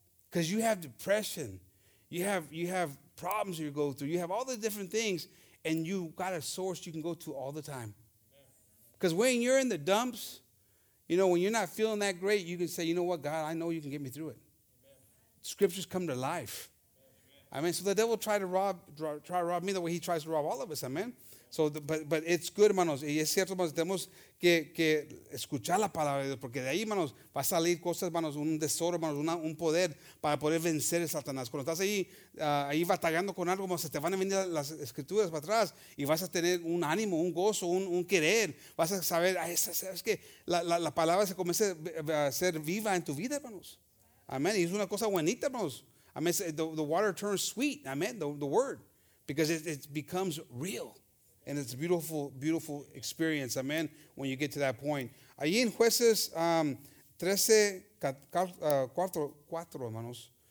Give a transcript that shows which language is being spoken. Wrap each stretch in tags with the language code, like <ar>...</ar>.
<en>Because you have depression, you have problems you go through, you have all the different things, and you got a source you can go to all the time. Because when you're in the dumps, you know, when you're not feeling that great, you can say, you know what, God, I know you can get me through it. Amen. Scriptures come to life. Amen. I mean, so the devil tried to rob me the way he tries to rob all of us, amen? So, but it's good, hermanos.</en> <es>Y es cierto, hermanos, tenemos que escuchar la palabra de Dios, porque de ahí, hermanos, va a salir cosas, hermanos, un tesoro, hermanos, un poder para poder vencer a Satanás. Cuando estás ahí batallando con algo, hermanos, te van a venir las escrituras para atrás y vas a tener un ánimo, un gozo, un querer. Vas a saber, sabes que la palabra se comienza a ser viva en tu vida, hermanos. Amén. Y es una cosa bonita, hermanos. Amén.</es> <en>The water turns sweet, amén, the word, because it becomes real. And it's a beautiful, beautiful experience, amen, when you get to that point.</en> <es>Allí en Jueces 13:4, hermanos.</es>